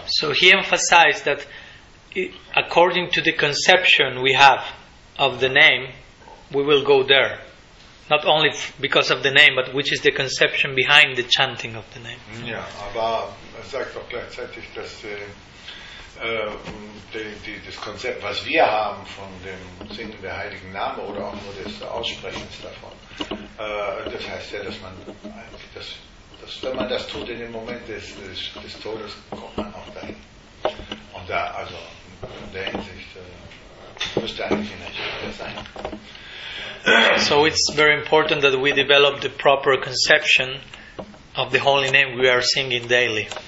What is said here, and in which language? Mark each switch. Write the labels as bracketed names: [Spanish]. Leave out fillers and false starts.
[English] So he emphasized that according to the conception we have of the name, we will go there. Not only because of the name, but which is the conception behind the chanting of the name. [German] Ja, aber er sagt auch gleichzeitig, dass das Konzept, was wir haben von dem Singen der heiligen Namen oder auch nur des Aussprechens davon, das heißt ja, dass man, dass wenn man das tut in dem Moment des Todes, kommt man auch dahin. Und da, also in der Hinsicht, müsste eigentlich in der Schule sein. [English] So it's very important that we develop the proper conception of the holy name we are singing daily.